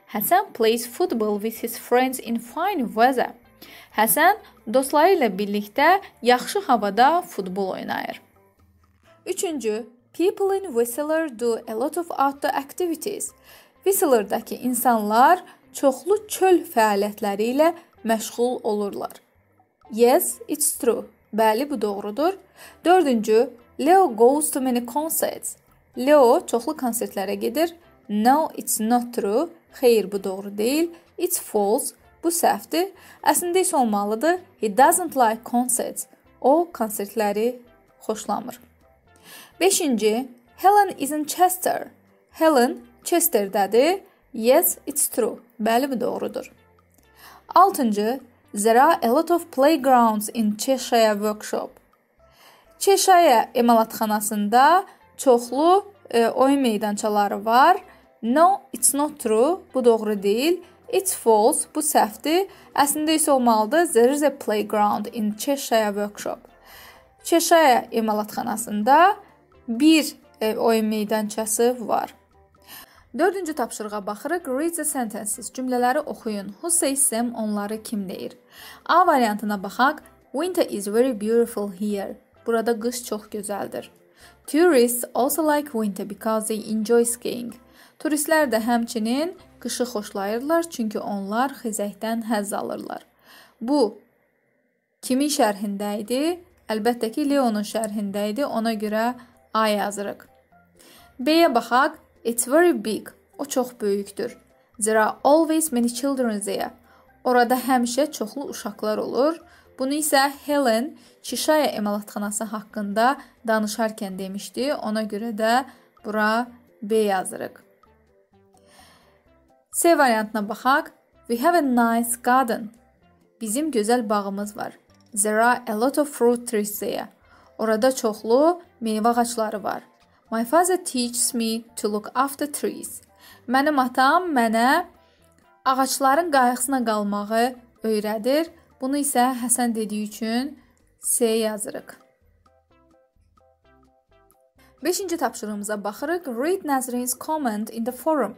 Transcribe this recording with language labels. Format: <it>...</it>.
<en>Həsən plays football with his friends in fine weather.</en> <az>Həsən dostları ilə birlikdə yaxşı havada futbol oynayır.</az> <en>Üçüncü, people in Whistler do a lot of outdoor activities.</en> <az>Whistler'dakı insanlar çoxlu çöl fəaliyyətləri ilə məşğul olurlar.</az> <en>Yes, it's true.</en> <az>Bəli, bu doğrudur.</az> <en>Dördüncü, Leo goes to many concerts.</en> <az>Leo çoxlu konsertlərə gedir.</az> <en>No, it's not true.</en> <az>Xeyr, bu doğru deyil.</az> <en>It's false.</en> <az>Bu səhvdir. Əslində isə olmalıdır.</az> <en>He doesn't like concerts.</en> <az>O, konsertləri xoşlamır.</az> <en>Beşinci, Helen is in Chester.</en> <az>Helen Chester'dədir.</az> <en>Yes, it's true.</en> <az>Bəli, bu doğrudur.</az> <en>Altıncı, there are a lot of playgrounds in Cheshire Workshop.</en> <az>Cheshire emalatxanasında çoxlu oyun meydançaları var.</az> <en>No, it's not true.</en> <az>Bu doğru deyil.</az> <en>It's false.</en> <az>Bu səhvdir. Əslində isə olmalıdır.</az> <en>There is a playground in Cheshire Workshop.</en> <az>Cheshire emalatxanasında bir oyun meydançası var. Dördüncü tapşırığa baxırıq.</az> <en>Read the sentences.</en> <az>Cümlələri oxuyun.</az> <en>Who says them?</en> <az>Onları kim deyir? A variantına baxaq.</az> <en>Winter is very beautiful here.</en> <az>Burada qış çox gözəldir.</az> <en>Tourists also like winter because they enjoy skiing.</en> <az>Turistlər də həmçinin qışı xoşlayırlar, çünki onlar xizəkdən həzz alırlar. Bu kimin şərhində idi? Əlbəttə ki, Leonun şərhində idi. Ona görə A yazırıq. B-yə baxaq.</az> <en>It's very big.</en> <az>O çox böyükdür.</az> <en>There are always many children there.</en> <az>Orada həmişə çoxlu uşaqlar olur. Bunu isə Helen Cheshire emalatxanası haqqında danışarkən demişdi. Ona görə də bura B yazırıq. C variantına baxaq.</az> <en>We have a nice garden.</en> <az>Bizim gözəl bağımız var.</az> <en>There are a lot of fruit trees there.</en> <az>Orada çoxlu meyvə ağacları var.</az> <en>My father teaches me to look after trees.</en> <az>Mənim atam mənə ağaçların qayğısına qalmağı öyrədir. Bunu isə Həsən dediyi üçün C yazırıq. Beşinci tapşırığımıza baxırıq.</az> <en>Read Nazrin's comment in the forum.</en>